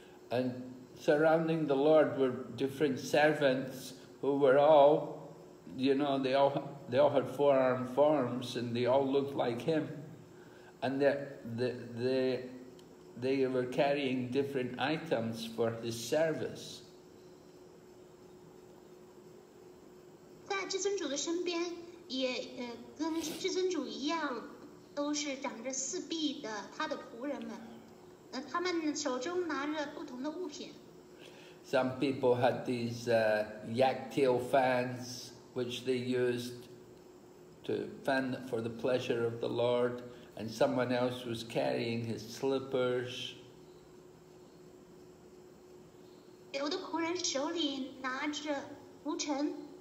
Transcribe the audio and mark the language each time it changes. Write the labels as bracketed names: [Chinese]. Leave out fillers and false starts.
[English] And surrounding the Lord were different servants who were all, you know, they all had four-armed forms, and they all looked like him. And they were carrying different items for his service. [Chinese] 在至尊主的身边，也跟至尊主一样，都是长着四臂的他的仆人们。他们手中拿着不同的物品。 [English] Some people had these yak tail fans, which they used to fan for the pleasure of the Lord, and someone else was carrying his slippers. [Chinese] 有的仆人手里拿着浮尘。